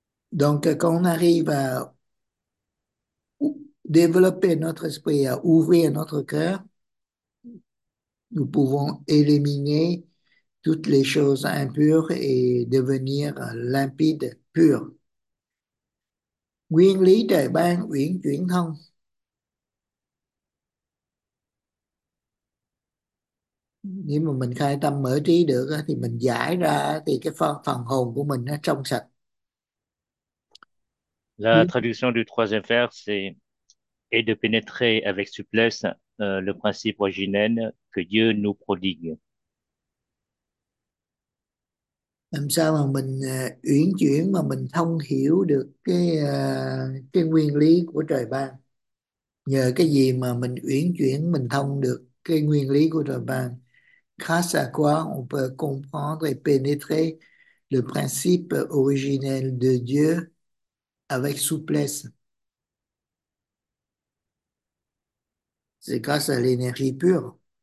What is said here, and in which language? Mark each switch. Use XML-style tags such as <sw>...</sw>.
<fr>Donc, quand on arrive à développer notre esprit, à ouvrir notre cœur, nous pouvons éliminer toutes les choses impures et devenir limpides, purs.</fr> <vi>Nguyên lý trời ban uyển chuyển thông. Nếu mà mình khai tâm mở trí được thì mình giải ra thì cái phần hồn của mình nó trong sạch.</vi> <fr>La traduction du troisième vers, c'est et de pénétrer avec souplesse le principe originel que Dieu nous prodigue.</fr> <vi>Làm sao mà mình uyển chuyển mà mình thông hiểu được cái nguyên lý của trời ban, nhờ cái gì mà mình uyển chuyển mình thông được cái nguyên lý của trời ban?</vi> <fr>Grâce à quoi on peut comprendre et pénétrer le principe originel de Dieu avec souplesse? C'est grâce à l'énergie pure.</fr>